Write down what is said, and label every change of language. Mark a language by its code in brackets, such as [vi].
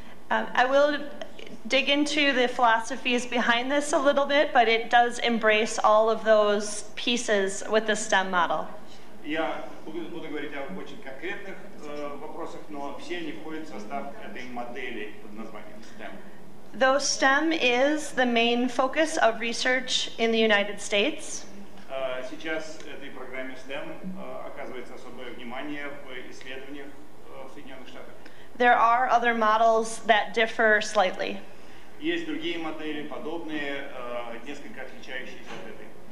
[en] I will dig into the philosophies behind this a little bit, but it does embrace all of those pieces with the STEM model. [ru] Я буду говорить о очень конкретных вопросах, но все они входят в состав этой модели под названием STEM. [en] Though STEM is the main focus of research in the United States. [ru] Сейчас этой программе STEM оказывается особое внимание в исследованиях в Соединенных Штатах. [en] There are other models that differ slightly. [ru] Есть другие модели, подобные, несколько отличающиеся от этой.